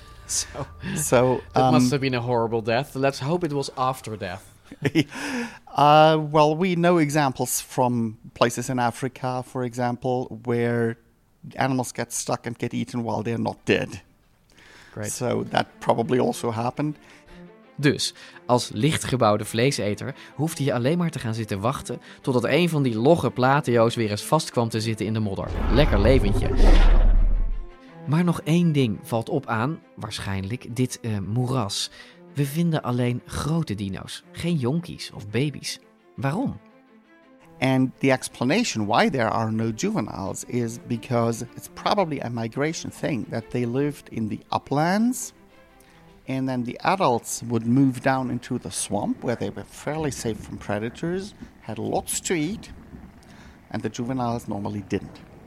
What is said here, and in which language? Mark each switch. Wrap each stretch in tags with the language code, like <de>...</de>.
<en>So it must have been a horrible death. Let's hope it was after death. Well, we know examples from places in Africa, for example, where animals get stuck and get eaten while they're not dead. Great. So that probably also happened.</en> <nl>Dus, als lichtgebouwde vleeseter hoefde je alleen maar te gaan zitten wachten totdat een van die logge plateo's weer eens vast kwam te zitten in de modder. Lekker leventje. Maar nog één ding valt op aan, waarschijnlijk, dit moeras. We vinden alleen grote dino's, geen jonkies of baby's. Waarom?</nl> <en>And the explanation why there are no juveniles is because it's probably a migration thing that they lived in the uplands and then the adults would move down into the swamp where they were fairly safe from predators, had lots to eat, and the juveniles normally didn't.</en>